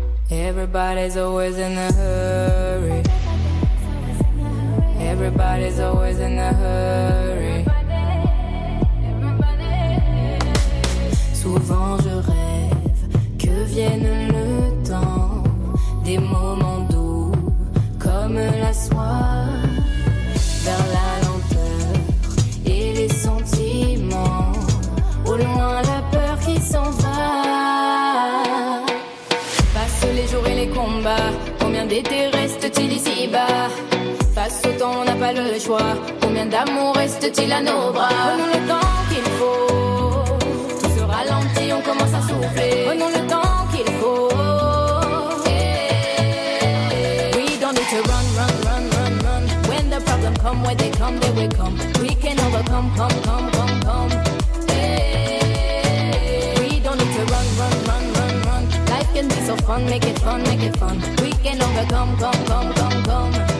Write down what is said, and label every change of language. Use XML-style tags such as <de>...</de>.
<en>Everybody's always in a hurry. Everybody's always in a hurry. Everybody, everybody.</en> <fr>Souvent je rêve que vienne le temps des moments doux comme la soie vers la lenteur et les sentiments au loin la peur qui s'en va. Passent les jours et les combats. Combien d'été reste-t-il ici-bas? Face au temps, on n'a pas le choix. Combien d'amour reste-t-il à nos bras? Prenons le temps qu'il faut. Tout se ralentit, on commence à souffler. Prenons le temps qu'il faut.</fr> <en>Yeah. We don't need to run, run, run, run, run. When the problem come, when they come, they will come. We can overcome, come, come, come, come. Yeah. We don't need to run, run, run, run, run. Life can be so fun, make it fun, make it fun. We can overcome, come, come, come, come.</en>